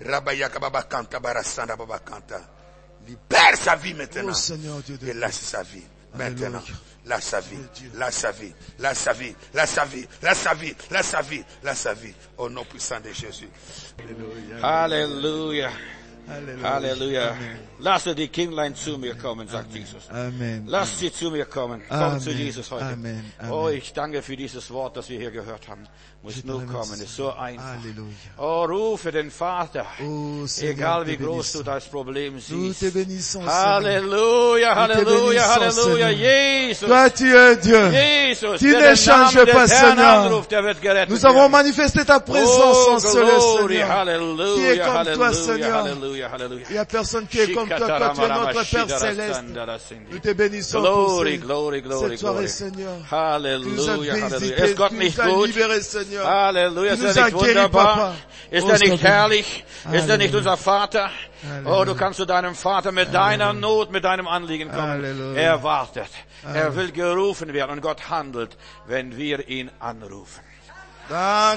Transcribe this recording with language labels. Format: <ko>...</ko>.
<fr>Rabaya Kababa Kanta Barasanda Baba Kanta. Libère sa vie maintenant. Oh Seigneur, Dieu de toi. Et lâche sa vie. Maintenant, lâche sa vie, lâche sa vie, lâche sa vie, lâche sa vie, lâche sa vie, lâche sa vie, lâche sa vie, au nom puissant de Jésus. Alléluia. Alléluia.</fr> <de>Halleluja. Lass du die Kindlein zu mir kommen, sagt Jesus. Amen. Lass sie zu mir kommen. Komm zu Jesus heute. Amen. Oh, ich danke für dieses Wort, das wir hier gehört haben. Muss nur kommen, ist so einfach. Halleluja. Oh, rufe den Vater. Oh, egal wie groß du das Problem siehst. Halleluja, halleluja, halleluja, halleluja. Jesus.</de> <fr>Toi, tu es Dieu.</fr> <de>Jesus.</de> <fr>Tu ne changes pas, Seigneur. Nous avons manifesté ta présence en ce lieu, Seigneur.</fr> <de>Halleluja,</de> <fr>qui est comme toi, Seigneur.</fr> <de>Halleluja, halleluja.</de> <fr>Il n'y a personne qui est comme toi, toi, tu es notre Père céleste. Nous te bénissons.</fr> <en>Glory, glory, glory, glory.</en> <fr>Cette soirée, Seigneur. Halleluja, halleluja. Est-ce que Dieu nous a libéré, Seigneur?</fr> <de>Halleluja, ist er nicht wunderbar? Ist er nicht herrlich? Ist er nicht unser Vater? Oh, du kannst zu deinem Vater mit deiner Not, mit deinem Anliegen kommen. Er wartet. Er will gerufen werden und Gott handelt, wenn wir ihn anrufen. Danke,</de>